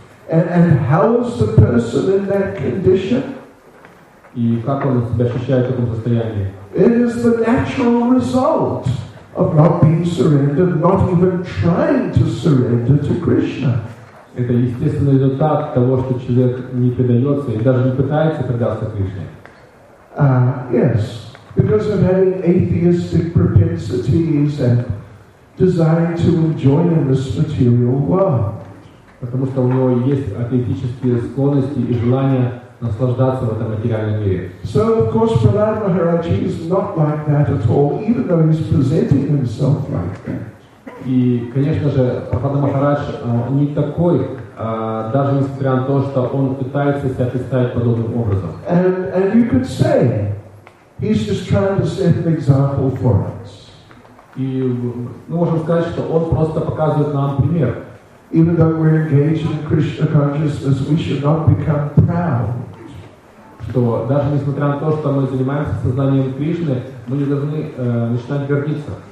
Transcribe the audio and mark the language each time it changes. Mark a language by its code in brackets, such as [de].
[en] And how is the person in that condition? [ru] И как он себя ощущает в таком состоянии? [en] It is the natural result of not being surrendered, not even trying to surrender to Krishna. [ru] Это естественный результат того, что человек не предается и даже не пытается предаться Кришне. [en] Yes, because of having atheistic propensities and desire to enjoy in this material world. [ru] Потому что у него есть атеистические склонности и желание наслаждаться в этом материальном мире. [en] So, of course, Prahlad Maharaj is not like that at all, even though he's presenting himself like that. [ru] И, конечно же, Прахлада Махарадж не такой, даже несмотря на то, что он пытается себя представить подобным образом. [en] And you could say, he's just trying to set an example for us. [ru] И мы можем сказать, что он просто показывает нам пример. [en] Even though we're engaged in Krishna consciousness, we should not become proud. [ru] Что даже несмотря на то, что мы занимаемся сознанием Кришны, мы не должны начинать гордиться.